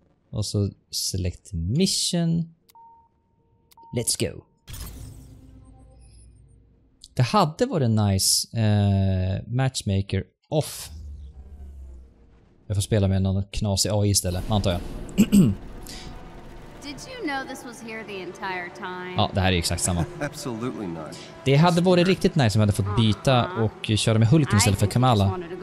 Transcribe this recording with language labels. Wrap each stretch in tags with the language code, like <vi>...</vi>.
<sv>Och så</sv> <en>select mission. Let's go.</en> <sv>Det hade varit nice matchmaker off. Jag får spela med någon knasig AI istället, antar jag.</sv> <en>Did you know this was here the entire time?</en> <sv>Ja, det här är exakt samma.</sv> <en>Absolutely not.</en> <sv>Det hade varit riktigt nice om jag hade fått byta och köra med Hulk istället för Kamala.</sv>